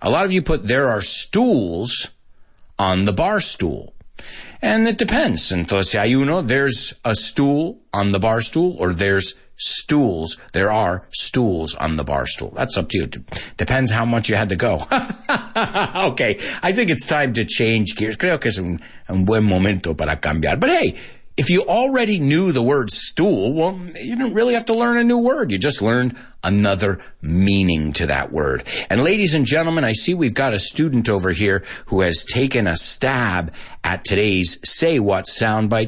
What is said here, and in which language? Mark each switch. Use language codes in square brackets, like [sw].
[en] A lot of you put, there are stools on the bar stool. And it depends. [es] Entonces, hay uno, [en] there's a stool on the bar stool, or there's stools. There are stools on the bar stool. That's up to you. Depends how much you had to go. Okay, I think it's time to change gears. [es] Creo que es un buen momento para cambiar. [en] But hey, if you already knew the word stool, well, you didn't really have to learn a new word. You just learned another meaning to that word. And ladies and gentlemen, I see we've got a student over here who has taken a stab at today's Say What soundbite.